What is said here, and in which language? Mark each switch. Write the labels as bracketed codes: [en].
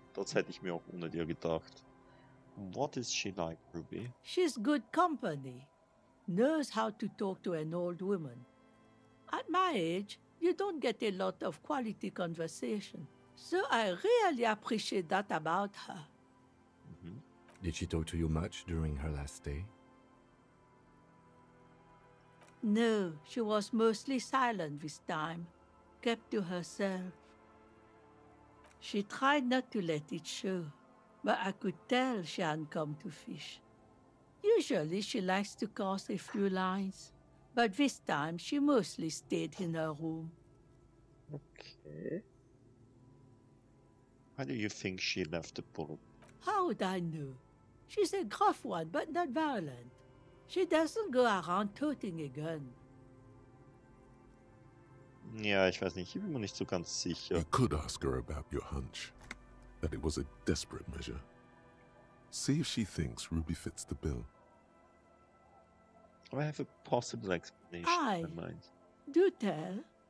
[de] Das hätte ich mir auch ohne dir gedacht. [en] What is she like, Ruby? She's good company. Knows how to talk to an old woman. At my age, you don't get a lot of quality conversation. So I really appreciate that about her. Mm-hmm. Did she talk to you much during her last stay? No, she was mostly silent this time, kept to herself. She tried not to let it show, but I could tell she hadn't come to fish. Usually she likes to cast a few lines. But this time, she mostly stayed in her room. Okay. Why do you think she left the bullet? How would I know? She's a gruff one, but not violent. She doesn't go around toting a gun. [de] Ja, ich weiß nicht, ich bin mir nicht so ganz sicher. [en] You could ask her about your hunch, that it was a desperate measure. See if she thinks Ruby fits the bill. I have a possible explanation in my mind. Do tell.